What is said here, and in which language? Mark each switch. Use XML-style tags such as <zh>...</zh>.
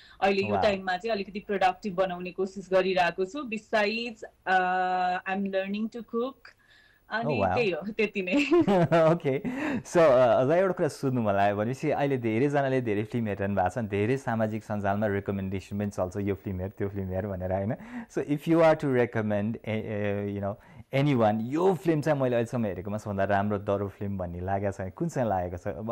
<ne>अहिले यो टाइममा चाहिँ अलिकति प्रोडक्टिभ बनाउने कोसिस गरिरहेको छु।</ne> <en>besides I am learning to cook,</en> <ne>अनि त्यही हो, त्यति नै। ओके, सो अझै एउटा कुरा सुन्नु मलाई भनेपछि, अहिले धेरैजनाले धेरै फिल्म हेर्नु भएको छ, धेरै सामाजिक सञ्जालमा रेकमेन्डेसन पनि चल्छ, यो फिल्म हेर, त्यो फिल्म हेर भनेर, होइन?</ne> <en>so if you are to recommend you know any one,</en> <ne>यो फिल्म चाहिँ मैले अहिलेसम्म हेरेकोमा सबभन्दा राम्रो डरो फिल्म भन्ने लागेको छ, कुन चाहिँ लागेको छ?</ne>